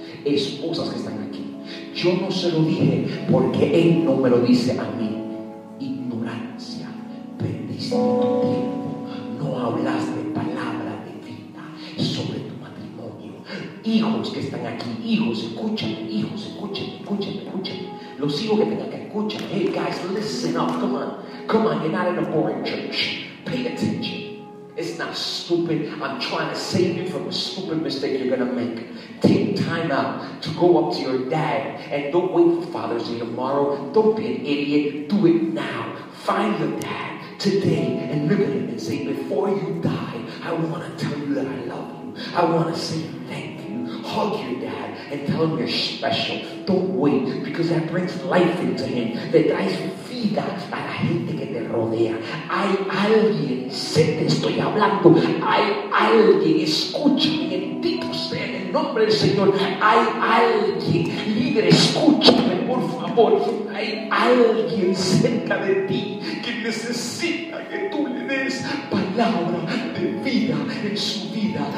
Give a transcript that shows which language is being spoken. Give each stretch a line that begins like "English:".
Spanish: Esposas que están aquí, yo no se lo dije porque él no me lo dice a mí. Ignorancia. Perdiste tu tiempo. No hablaste palabra de vida sobre tu matrimonio. Hijos que están aquí, hijos, escúchame, escúchame. Los hijos que tengan que escuchar.
English: Hey guys, listen up. Come on. Come on, you're not in a boring church. Pay attention. It's not stupid. I'm trying to save you from a stupid mistake you're going to make. Take time out to go up to your dad. And don't wait for Father's Day tomorrow. Don't be an idiot. Do it now. Find your dad today and look at him and say, before you die, I want to tell you that I love you. I want to say thank you. Hug your dad and tell him you're special. Don't wait, because that brings life into him.
Spanish: That dies vida a la gente que te rodea. Hay alguien, sé que estoy hablando, hay alguien, escúchame, bendito sea en el nombre del Señor, hay alguien, líder, escúchame, por favor, hay alguien cerca de ti que necesita que tú le des palabra de vida en su vida.